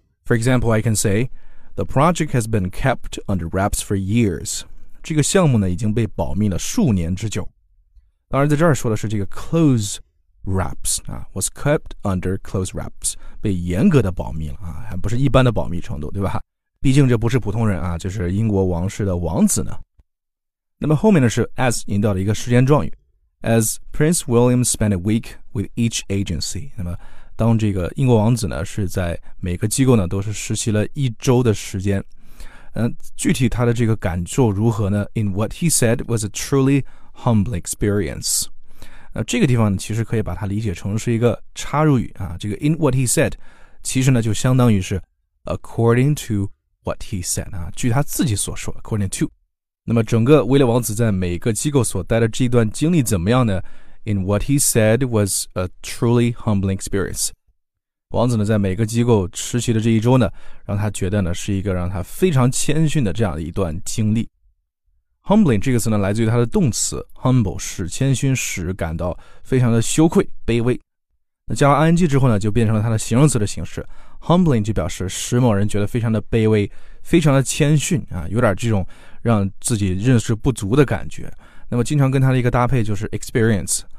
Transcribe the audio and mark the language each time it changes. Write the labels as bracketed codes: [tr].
[en] For example， I can say the project has been kept under wraps for years。 [zh] 这个项目呢已经被保密了数年之久。当然在这儿说的是这个 close wraps 啊， [en] was kept under close wraps， [zh] 被严格的保密了啊，还不是一般的保密程度，对吧？毕竟这不是普通人啊，就是英国王室的王子呢。那么后面呢是 as 引导的一个时间状语， [en] as Prince William spent a week with each agency。 [zh] 那么当这个英国王子呢是在每个机构呢都是实习了一周的时间，具体他的这个感受如何呢？ [en] In what he said was a truly humble experience。 [zh] 这个地方其实可以把它理解成是一个插入语啊。这个 in what he said 其实呢就相当于是 [en] according to what he said [zh] 啊，据他自己所说 according to。那么整个威廉王子在每个机构所待的这段经历怎么样呢？ [en] In what he said was a truly humble experience。 [zh] 王子呢在每个机构实习的这一周呢，让他觉得呢是一个让他非常谦逊的这样一段经历。 humbling 这个词呢来自于他的动词 humble， 使谦逊，使感到非常的羞愧卑微。那加了 ing 之后呢就变成了他的形容词的形式， humbling 就表示使某人觉得非常的卑微，非常的谦逊啊，有点这种让自己认识不足的感觉。那么经常跟他的一个搭配就是 experience，